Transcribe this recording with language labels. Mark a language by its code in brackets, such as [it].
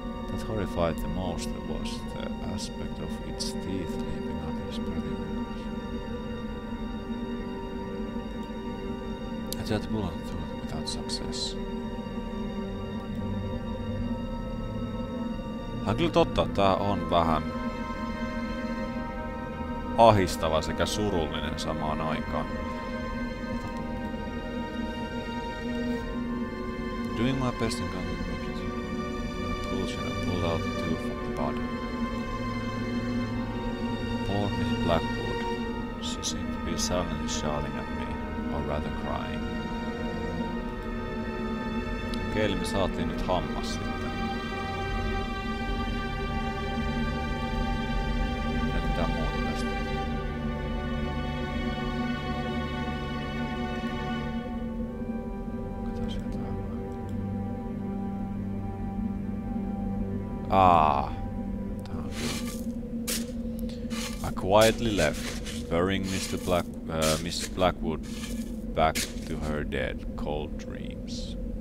[en] That horrified the most was the aspect of its teeth leaping out and spreading across. I tried to pull on the tooth without success. [fi] On kyllä totta, että tää on vähän ahistava sekä surullinen samaan aikaan. [en] Doing my best in God's emergency. I pulled out the tooth from the body. poor Miss Blackwood. She seemed to be silently shouting at me, or rather crying. [fi] Okei, eli me saatiin nyt hammas sitten. Ja mitä muuta tästä? Katsotaan sieltä hammaa. [en] I quietly left, burying Miss Blackwood back to her dead, cold dreams.